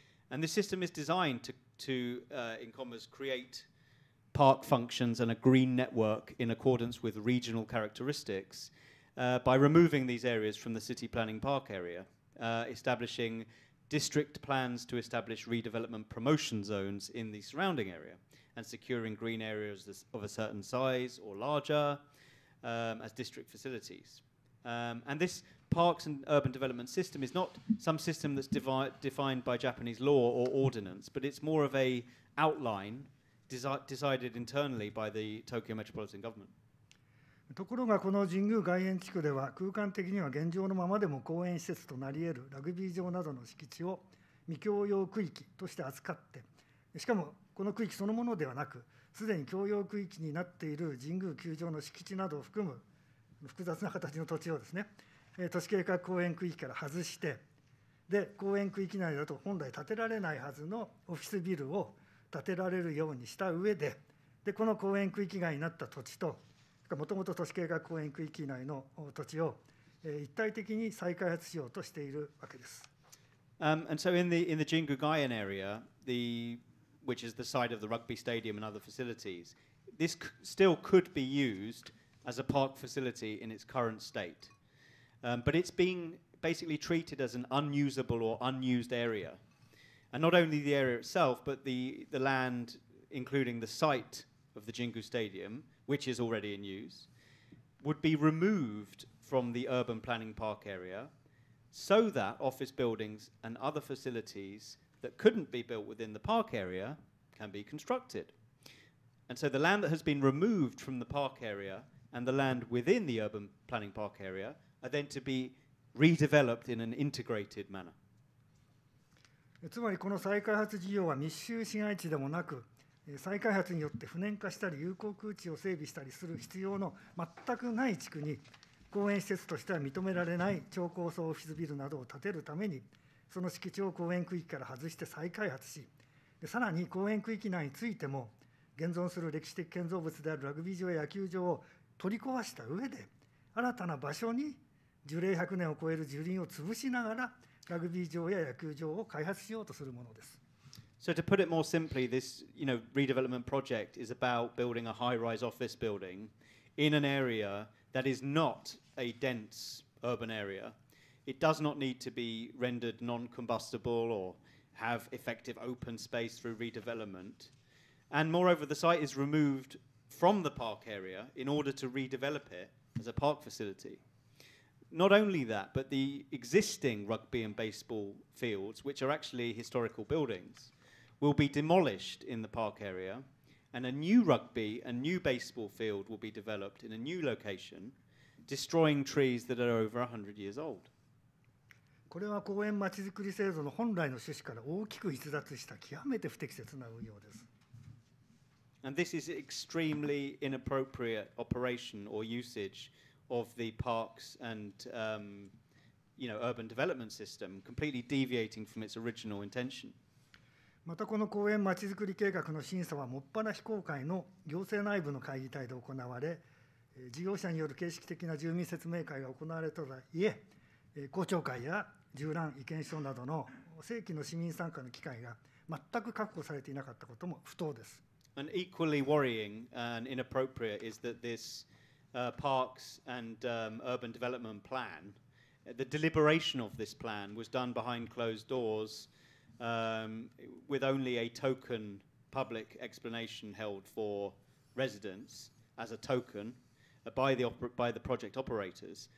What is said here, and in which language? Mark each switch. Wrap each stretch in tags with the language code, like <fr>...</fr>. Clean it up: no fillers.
<en>And this system is designed to create park functions and a green network in accordance with regional characteristics by removing these areas from the city planning park area, establishing district plans to establish redevelopment promotion zones in the surrounding area and securing green areas of a certain size or larger as district facilities. And this parks and urban development system is not some system that's defined by Japanese law or ordinance, but it's more of a outline decided internally by the Tokyo Metropolitan Government.</en> <ja>ところがこの神宮外苑地区では空間的には現状のままでも公園施設となり得るラグビー場などの敷地を未共用区域として扱って、しかもこの区域そのものではなく、すでに共用区域になっている神宮球場の敷地などを含む複雑な形の土地をですね、都市計画公園区域から外して、で公園区域内だと本来建てられないはずのオフィスビルを建てられるようにした上で、でこの公園区域外になった土地と、もともと都市計画公園区域内の土地を一体的に再開発しようとしているわけです。</ja> <en>And so in the Jingu Gaien area, which is the site of the rugby stadium and other facilities, this still could be used as a park facility in its current state. But it's being basically treated as an unusable or unused area. And not only the area itself, but the land, including the site of the Jingu Stadium,which is already in use, would be removed from the urban planning park area so that office buildings and other facilities that couldn't be built within the park area can be constructed. And so the land that has been removed from the park area and the land within the urban planning park area are then to be redeveloped in an integrated manner.</en> <ja>つまりこの再開発事業は密集市街地でもなく、再開発によって不燃化したり有効空地を整備したりする必要の全くない地区に、公園施設としては認められない超高層オフィスビルなどを建てるためにその敷地を公園区域から外して再開発し、でさらに公園区域内についても現存する歴史的建造物であるラグビー場や野球場を取り壊した上で新たな場所に樹齢100年を超える樹林を潰しながらラグビー場や野球場を開発しようとするものです。</ja> <en>So to put it more simply, this, you know, redevelopment project is about building a high-rise office building in an area that is not a dense urban area. It does not need to be rendered non-combustible or have effective open space through redevelopment. And moreover, the site is removed from the park area in order to redevelop it as a park facility. Not only that, but the existing rugby and baseball fields, which are actually historical buildings, will be demolished in the park area, and a new rugby and new baseball field will be developed in a new location, destroying trees that are over 100 years old.</en> <ja>これは公園まちづくり制度の本来の趣旨から大きく逸脱した極めて不適切な運用です。</ja> <en>And this is extremely inappropriate operation or usage of the parks and, you know, urban development system, completely deviating from its original intention.</en> <ja>またこの公園まちづくり計画の審査はもっぱら非公開の行政内部の会議体で行われ、事業者による形式的な住民説明会が行われたとはいえ、公聴会や縦覧意見書などの正規の市民参加の機会が全く確保されていなかったことも不当です。</ja> <en>And equally worrying and inappropriate is that this parks and urban development plan, the deliberation of this plan was done behind closed doors. With only a token public explanation held for residents as a token by the project operators.</en>